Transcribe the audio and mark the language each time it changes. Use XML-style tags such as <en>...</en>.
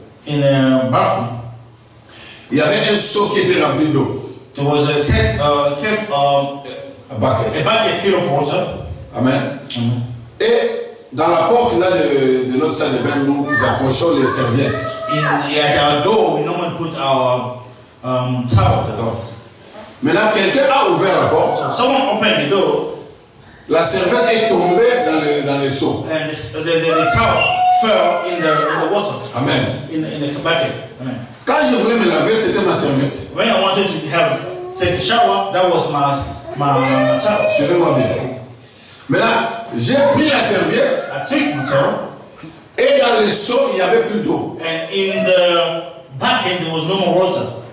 <en>In a bathroom.</en> <fr>Il y avait un seau qui était rempli d'eau.</fr> <en>There was a bucket filled of water. Amen. Mm-hmm.</en> <fr>Et dans la porte là de notre salle de bain, nous accrochons les serviettes.</fr> <en>At our door, we normally put our towel.</en> <fr>Maintenant, quelqu'un a ouvert la porte.</fr> <en>Someone opened the door.</en> <fr>La serviette est tombée dans le seau.</fr> <en>And the towel fell in the water. Amen. In the bucket. Amen.</en> <fr>Quand je voulais me laver, c'était ma serviette.</fr> <en>When I wanted to take a shower, that was my towel.</en> <fr>Suivez-moi bien. Maintenant, j'ai pris la serviette.</fr> <en>I took my towel.</en> <fr>Et dans le seau, il n'y avait plus d'eau.</fr> <en>And in the bucket, there was no more water.</en>